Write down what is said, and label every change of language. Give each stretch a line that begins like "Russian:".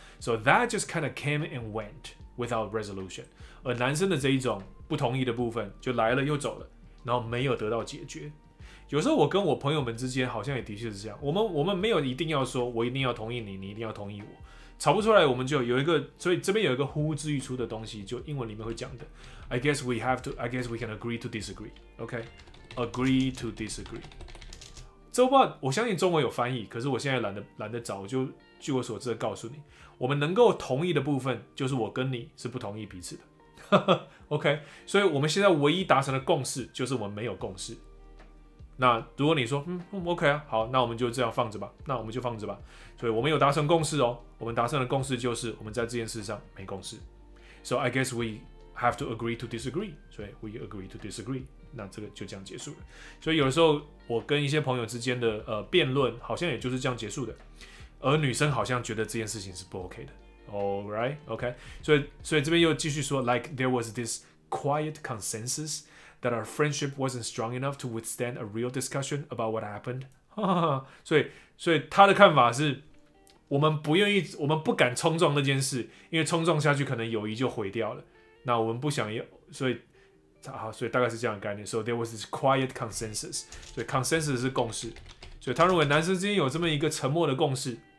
English: So that just kind of came and went without resolution。
Chinese: 而男生的这一种不同意的部分就来了又走了，然后没有得到解决。有时候我跟我朋友们之间好像也的确是这样，我们没有一定要说我一定要同意你，你一定要同意我，吵不出来我们就有一个，所以这边有一个呼之欲出的东西，就英文里面会讲的
English: I guess we can agree to disagree，
Chinese: OK，
English: agree to disagree。
Chinese: 这话我相信中文有翻译，可是我现在懒得找，就据我所知的告诉你，我们能够同意的部分就是我跟你是不同意彼此的OK， 所以我们现在唯一达成的共识就是我们没有共识。那如果你说 OK 啊，好，那我们就这样放着吧，那我们就放着吧。所以我们有达成共识哦，我们达成的共识就是我们在这件事上没共识。
English: So I guess we have to agree to disagree， 所以 we agree to disagree，
Chinese: 那这个就这样结束了。所以有的时候我跟一些朋友之间的辩论好像也就是这样结束的，而女生好像觉得这件事情是不 OK 的。
English: Alright, OK，
Chinese: 所以这边又继续说
English: ，like there was this quiet consensus that our friendship wasn't strong enough to withstand a real discussion about what happened 。
Chinese: 所以他的看法是，我们不敢冲撞那件事，因为冲撞下去可能友谊就毁掉了。那我们不想要，所以大概是这样的概念。
English: So there was this quiet consensus，
Chinese: 所以 consensus 是共识，所以他认为男生之间有这么一个沉默的共识。